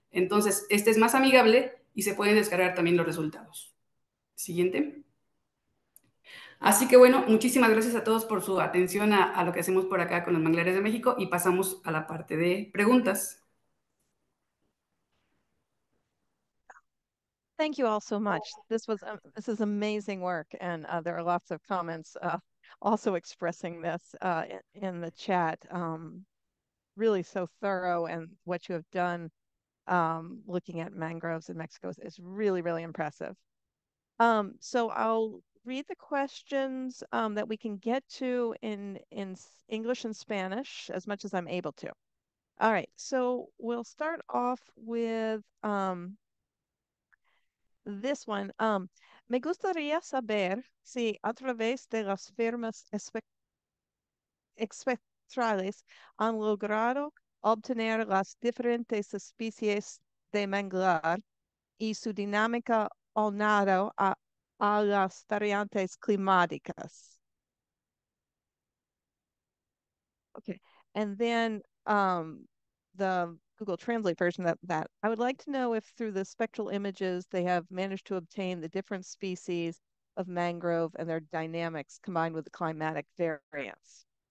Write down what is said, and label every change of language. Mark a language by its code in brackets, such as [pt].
[es] Entonces, este es más amigable y se pueden descargar también los resultados. Siguiente. Así que bueno, muchísimas gracias a todos por su atención a lo que hacemos por acá con los Manglares de México y pasamos a la parte de preguntas. [en] Thank you all so much. This is amazing work, and there are lots of comments also expressing this in the chat. Really so thorough, and what you have done looking at mangroves in Mexico is really, really impressive. So I'll read the questions that we can get to in English and Spanish as much as I'm able to. All right, so we'll start off with this one. [es] Me gustaría saber si a través de las firmas espectrales han logrado obtener las diferentes especies de manglar y su dinámica aunado a las variantes climáticas. [en] Okay, and then the Google Translate version that I would like to know if through the spectral images they have managed to obtain the different species of mangrove and their dynamics combined with the climatic variance.